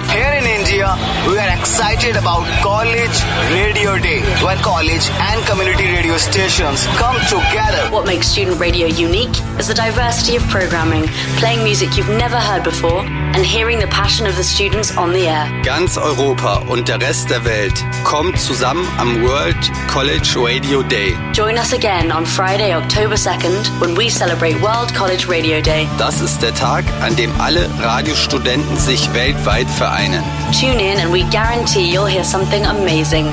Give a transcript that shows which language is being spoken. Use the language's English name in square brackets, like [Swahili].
[English] Here in India, we are excited about College Radio Day, when college and community radio stations come together. What makes student radio unique is the diversity of programming, playing music you've never heard before, and hearing the passion generation of the students on the air. [German] Ganz Europa und der Rest der Welt kommt zusammen am World College Radio Day. [English] Join us again on Friday, October 2nd, when we celebrate World College Radio Day. [German] Das ist der Tag, an dem alle Radiostudenten sich weltweit vereinen. [English] Tune in and we guarantee you'll hear something amazing.